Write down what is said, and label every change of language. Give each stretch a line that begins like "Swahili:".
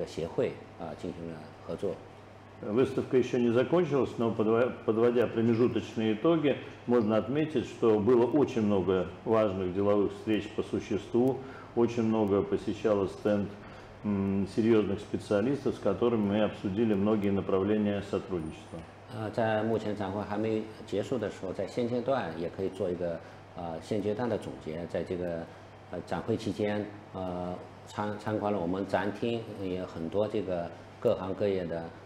Chinese: 还在这个汽车生产领域，汽车零部件生产领域，跟一系列的这个协会进行了合作。
Russian: Выставка еще не закончилась, но подводя промежуточные итоги, можно отметить, что было очень много важных деловых встреч по существу, очень много посещало стенд серьезных специалистов, с которыми мы обсудили многие направления сотрудничества.
Chinese: 在目前展会还没结束的时候，在现阶段也可以做一个现阶段的总结，在这个展会期间，参观了我们展厅，也很多这个各行各业的。